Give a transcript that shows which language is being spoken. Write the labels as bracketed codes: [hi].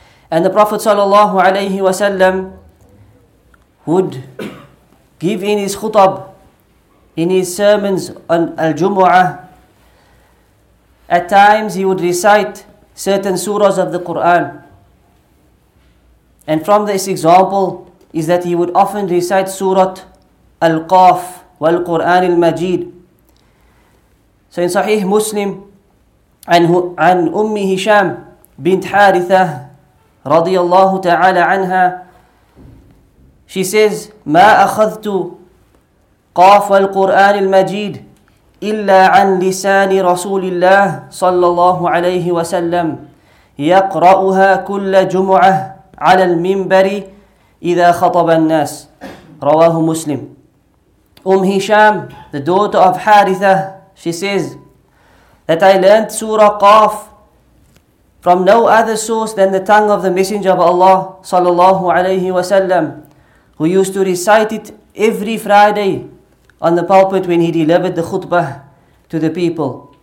[en] And the Prophet sallallahu alayhi wa sallam would give in his khutab, in his sermons on Al-Jumu'ah, at times he would recite certain surahs of the Qur'an. And from this example is that he would often recite surah Al-Qaf wal-Qur'an al-Majid. So in Sahih Muslim, an Ummi Hisham bint Haritha radiyallahu ta'ala anha, she says, [ar] مَا أَخَذْتُ قاف القرآن المجيد إلا عن لسان رسول الله صلى الله عليه وسلم يقرأها كل جمعة على المنبر إذا خطب الناس رواه مسلم. [en] أم هشام, the daughter of Haritha, she says that I learned Surah Qaf from no other source than the tongue of the Messenger of Allah [ar] صلى الله عليه وسلم, [en] who used to recite it every Friday on the pulpit when he delivered the khutbah to the people.